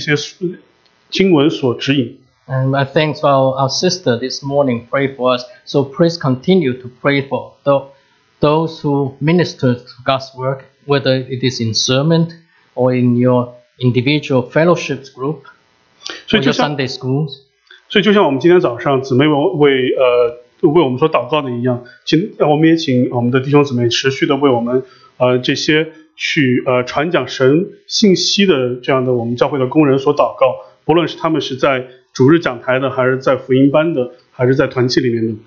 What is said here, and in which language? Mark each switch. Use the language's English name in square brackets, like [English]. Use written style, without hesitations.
[Chinese] 所以就是说，我们要去想经文上怎么说的，怎么做的。这个经文如何应用在我自己身上？我的决定应该如何的被这些经文所指引？ [English] And I thank our sister this morning pray for us. So please continue to pray for those who minister to God's work, whether it is in sermon or in your individual fellowship group or your Sunday schools. [Chinese] 所以就像我们今天早上姊妹们为我们所祷告的一样，我们也请我们的弟兄姊妹持续的为我们这些去传讲神信息的这样的我们教会的工人所祷告，不论是他们是在 主日讲台的，还是在福音班的，还是在团契里面的。